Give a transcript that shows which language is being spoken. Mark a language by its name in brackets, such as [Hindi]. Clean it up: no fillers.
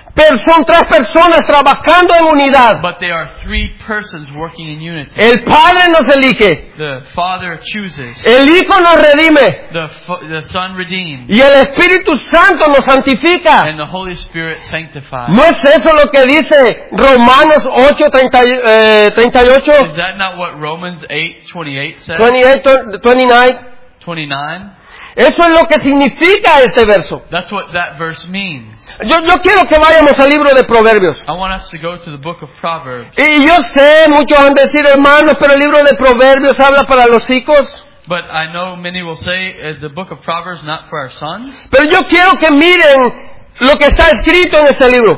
[Spanish] Pero son tres personas trabajando en unidad. [English] But they are three persons working in unity. [Spanish] El Padre nos elige. [English] The Father chooses. [Spanish] El Hijo nos redime. [English] The Son redeems. [Spanish] Y el Espíritu Santo nos santifica. [English] And the Holy Spirit sanctifies. [Spanish] ¿No es eso lo que dice Romanos 8:38? [English] Is that not what Romans 8:28 says? 29. [Spanish] Eso es lo que significa este verso. [English] That's what that verse means. [Spanish] Yo quiero que vayamos al libro de Proverbios. [English] I want us to go to the book of Proverbs. [Spanish] Y yo sé, muchos han decir, hermanos, pero el libro de Proverbios habla para los hijos. [English] But I know many will say, is the book of Proverbs not for our sons? [Spanish] Pero yo quiero que miren lo que está escrito en este libro.